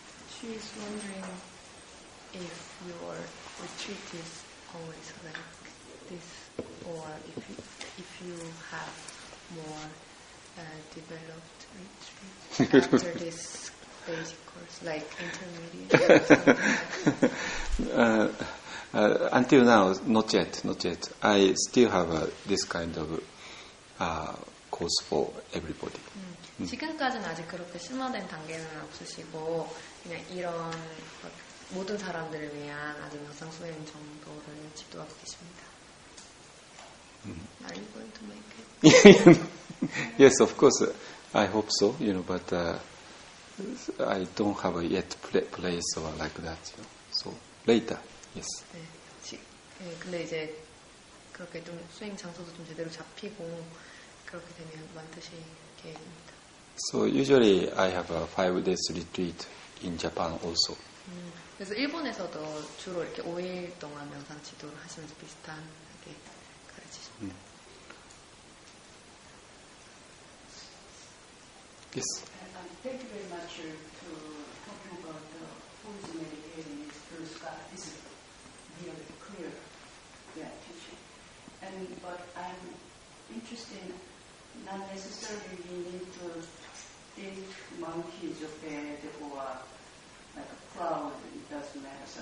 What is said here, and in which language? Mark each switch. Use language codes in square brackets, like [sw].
[en] She is wondering if your retreat is always like this, or if you have more developed retreat after this basic course, like intermediate. Until now, not yet. I still have this kind of course for everybody. [ko] 지금까지는 아직 그렇게 심화된 단계는 없으시고 그냥 이런 모든 사람들을 위한 아주 영상 수행 정도를 지도하고 계십니다. [en] Are you going to make it? Yes, of course. I hope so. You know, but I don't have yet place or like that. You know. So later. Yes. [ko] 네. 근데 이제 그렇게 좀 수행 장소도 좀 제대로 잡히고 그렇게 되면 만드실 계획입니다. [en] So usually I have a 5 days retreat in Japan also. [ko] 그래서 일본에서도 주로 이렇게 5일 동안 명상 지도를 하시면서 비슷하게 가르치십니다. [en] Yes. Thank you very much to talking about the forms of meditating is through Scott. This is really clear, yeah, teaching. And but I'm interested in not necessarily you need to think monkeys or bed or like a cloud, it doesn't matter.